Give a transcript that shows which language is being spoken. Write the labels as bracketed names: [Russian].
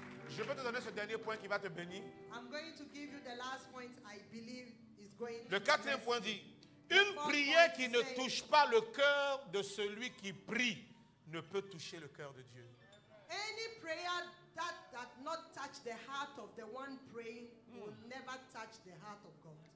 [French] Je peux te donner ce dernier point qui va te bénir. [English] I'm going to give you the last point I believe is going. [French] Le quatrième point dit. Une prière qui ne touche pas le cœur de celui qui prie ne peut toucher le cœur de Dieu. [English] Any prayer that does not touch the heart of the one praying will never touch the heart of God.